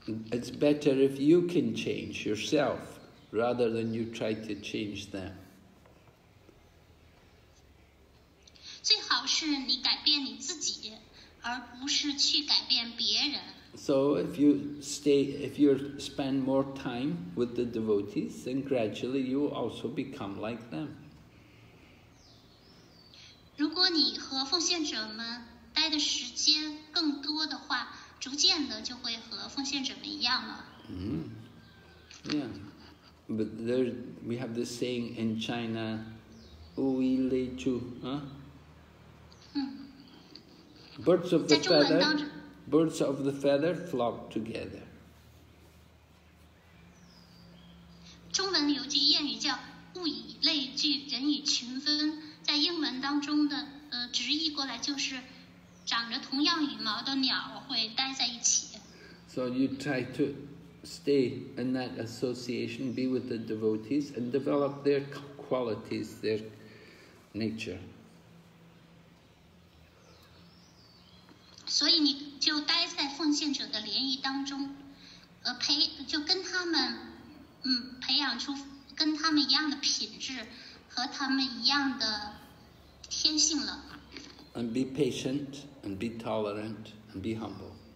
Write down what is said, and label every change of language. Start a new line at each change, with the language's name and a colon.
English: It's better if you can change yourself rather than you try to change them.
Chinese: 最好是你改变你自己，而不是去改变别人。
English: So if you spend more time with the devotees, then gradually you will also become like them.
Chinese: 如果你和奉献者们待的时间更多的话，逐渐的就会和奉献者们一样了。
English: Yeah. But there, we have this saying in China,
Chinese: "Wuyi Lei Zhu,"
English: Birds of the feather. Birds of the feather flock together.
Chinese: 中文有句谚语叫物以类聚，人以群分。在英文当中的直译过来就是，长着同样羽毛的鸟会待在一起。
English: So you try to stay in that association, be with the devotees, and develop their qualities, their nature.
Chinese: 所以你就待在奉献者的联谊当中，就跟他们，培养出跟他们一样的品质和他们一样的天性了。
English: And be patient, and be tolerant, and be humble.